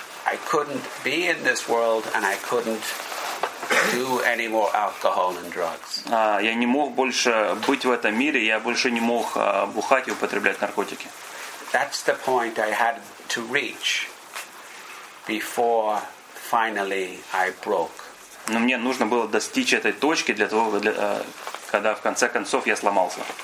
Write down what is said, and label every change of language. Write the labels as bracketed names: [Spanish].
[English] I couldn't be in this world and I couldn't do any more alcohol and drugs. [Russian] Я не мог больше быть в этом мире, я больше не мог бухать и употреблять наркотики. [English] That's the point I had to reach before finally I broke. [Russian] Но мне нужно было достичь этой точки для того, когда в конце концов я сломался.